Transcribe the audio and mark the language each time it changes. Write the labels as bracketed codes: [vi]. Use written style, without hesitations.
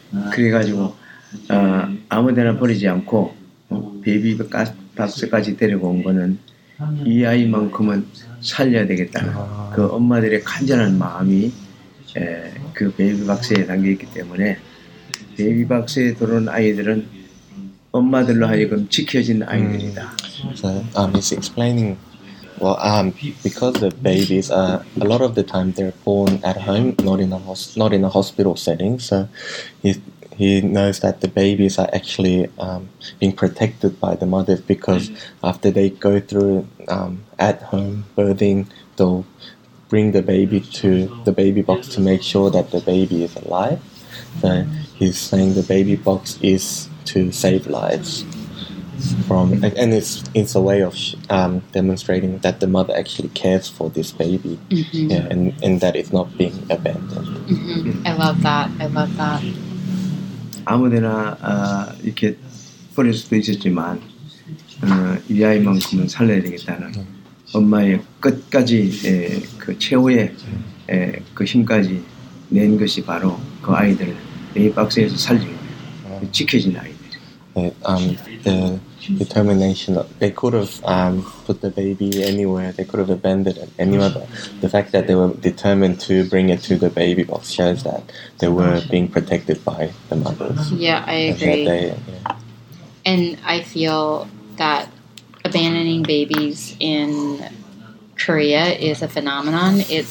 [ko] 그래가지고 아무데나 버리지 않고 베이비박스까지 데리고 온 거는 이 아이만큼은 살려야 되겠다. 그 엄마들의 간절한 마음이 그 베이비박스에 담겨 있기 때문에 베이비박스에 들어온 아이들은 엄마들로 하여금 지켜진 아이들이다. [en] So he's explaining. Well, because the babies are a lot of the time they're born at home, not in a hospital setting. So he knows that the babies are actually being protected by the mothers because after they go through at home birthing, they'll bring the baby to the baby box to make sure that the baby is alive. So he's saying the baby box is to save lives. From and it's a way of demonstrating that the mother actually cares for this baby, mm-hmm. yeah, and that it's not being abandoned. Mm-hmm. I love that. [ko] 아무데나 이렇게 버릴 수도 있었지만 이 아이만큼은 살려야 되겠다는 엄마의 끝까지 그 최후의 그 힘까지 낸 것이 바로 그 아이들 베이박스에서 살리는 지켜진 아이들. [en] Determination. They could have put the baby anywhere. They could have abandoned it anywhere. But the fact that they were determined to bring it to the baby box shows that they were being protected by the mothers. Yeah, I agree. And I feel that abandoning babies in Korea is a phenomenon.